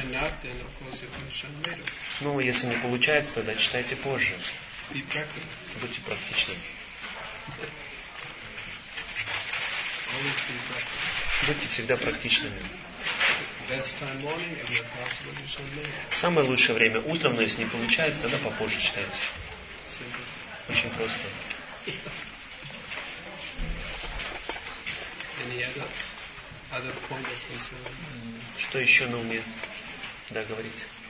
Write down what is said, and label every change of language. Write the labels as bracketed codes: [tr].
[en] If you cannot, then of course you can chant later. [ru] Ну, если не получается, тогда читайте позже. [en] Be practical. [ru] Будьте практичными. [en] Always be practical. [ru] Будьте всегда практичными. [en] Best time morning, if you're possible, you shall later. [ru] Самое лучшее время утром, но если не получается, тогда попозже читайте. [en] Simple. [ru] Очень просто. [en] Any other point of concern? [ru] Что еще на уме? Да, говорите.